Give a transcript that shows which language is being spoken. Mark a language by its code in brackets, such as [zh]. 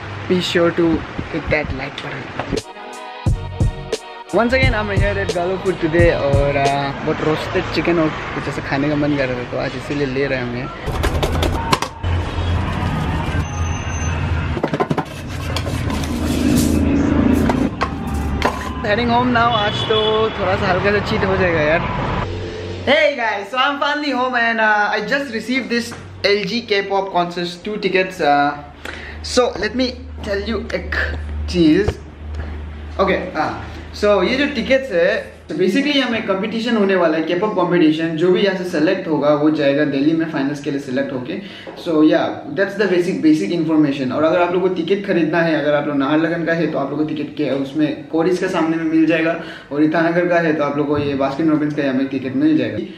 [en] Be sure to hit that like button. Once again, I'm here at Galo Food today, [hi] और बहुत roasted chicken और कुछ ऐसा खाने का मन कर रहा था तो आज इसीलिए ले रहे हैं। [en] Heading home now, [hi] आज तो थोड़ा सा हल्का सा चीट हो जाएगा यार। [en] Hey guys, so I'm finally home and I just received this LG K-pop concert 2 tickets. So let me tell you [hi] एक चीज। Okay, सो ये जो टिकट्स है बेसिकली हमें कंपटीशन होने वाला है, केपॉप कंपटीशन, जो भी यहाँ से सेलेक्ट होगा वो जाएगा दिल्ली में फाइनल्स के लिए सेलेक्ट होके। [en] So yeah that's the basic information. [hi] और अगर आप लोगों को टिकट खरीदना है, अगर आप लोग नाहरलगन का है तो आप लोगों को टिकट के उसमें कोरिस के सामने में मिल जाएगा, और ईटानगर का है तो आप लोग को ये बास्किन रॉबिन्स का यहाँ में टिकट मिल जाएगा।